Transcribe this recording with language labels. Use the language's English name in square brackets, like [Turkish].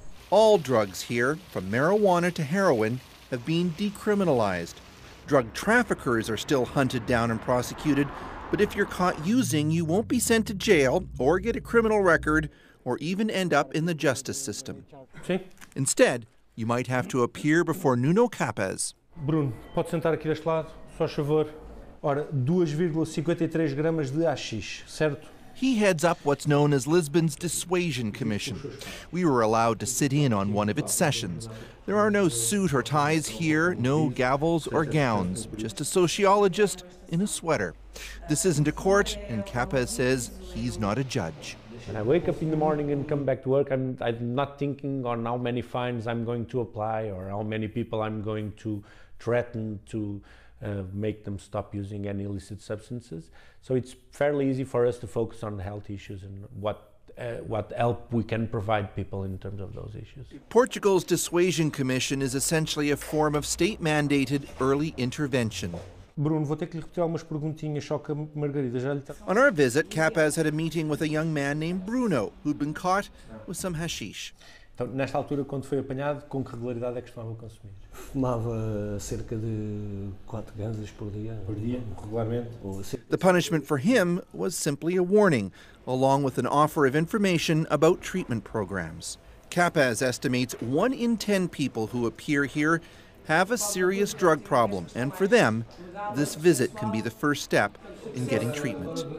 [English] All drugs here, from marijuana to heroin, have been decriminalized. Drug traffickers are still hunted down and prosecuted, but if you're caught using, you won't be sent to jail or get a criminal record or even end up in the justice system. [Portuguese] Sim. [English] Instead, you might have to appear before Nuno Capes. [Portuguese] Bruno, pode sentar aqui deste lado, só favor. Ora, 2,53 gramas de hashish, certo? [English] He heads up what's known as Lisbon's Dissuasion Commission. We were allowed to sit in on one of its sessions. There are no suit or ties here, no gavels or gowns, just a sociologist in a sweater. This isn't a court, and Capes says he's not a judge. When I wake up in the morning and come back to work, I'm not thinking on how many fines I'm going to apply or how many people I'm going to threaten to make them stop using any illicit substances. So it's fairly easy for us to focus on health issues and what help we can provide people in terms of those issues. Portugal's Dissuasion Commission is essentially a form of state-mandated early intervention. [Portuguese] Bruno, vou ter que lhe repetir algumas perguntinhas, só que a Margarida já lhe... [English] On our visit, Capes had a meeting with a young man named Bruno, who'd been caught with some hashish. [Portuguese] Então, nesta altura, quando foi apanhado, com que regularidade é que costumava consumir? Fumava cerca de 4 ganzas por dia. Por dia, regularmente. [English] The punishment for him was simply a warning, along with an offer of information about treatment programs. Capes estimates 1 in 10 people who appear here have a serious drug problem, and for them, this visit can be the first step in getting treatment.